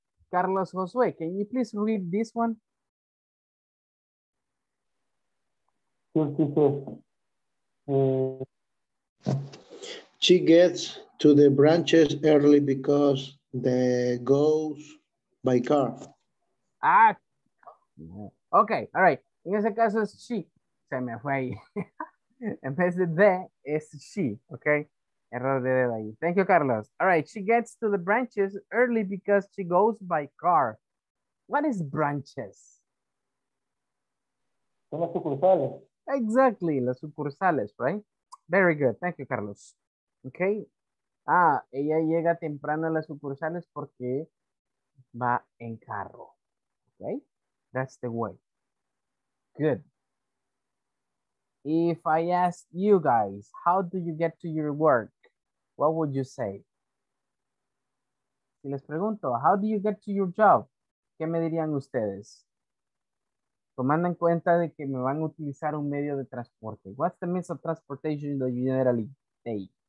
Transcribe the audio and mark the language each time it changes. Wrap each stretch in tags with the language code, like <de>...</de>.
<en>Carlos Josue, can you please read this one? She gets to the branches early because the goes by car. Ah, okay, all right.</en> <es>En ese caso es she, se me fue ahí. En vez de the, es she, okay? Error de dedo ahí.</es> <en>Thank you, Carlos. All right, she gets to the branches early because she goes by car. What is branches?</en> <es>Son las sucursales.</es> <en>Exactly,</en> <es>las sucursales,</es> <en>right? Very good, thank you, Carlos. Okay.</en> <es>Ah, ella llega temprano a las sucursales porque va en carro.</es> <en>Okay, that's the way. Good. If I ask you guys, how do you get to your work? What would you say?</en> <es>Si les pregunto,</es> <en>how do you get to your job?</en> <es>¿Qué me dirían ustedes? Tomando en cuenta de que me van a utilizar un medio de transporte.</es> <en>What's the means of transportation that you generally take?</en>